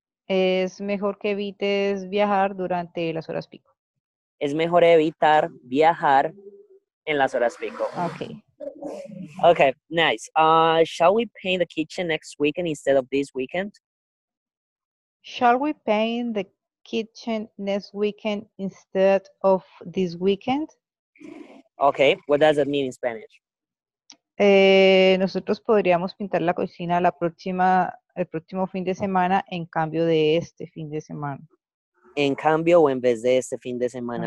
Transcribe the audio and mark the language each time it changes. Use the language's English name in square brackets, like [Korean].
[Spanish] Es mejor que evites viajar durante las horas pico. Es mejor evitar viajar en las horas pico. [English] Okay. Okay, nice. Shall we paint the kitchen next weekend instead of this weekend? Shall we paint the kitchen next weekend instead of this weekend? Okay, what does that mean in Spanish? [Spanish] Nosotros podríamos pintar la cocina el próximo fin de semana en cambio de este fin de semana. En cambio o en vez de este fin de semana.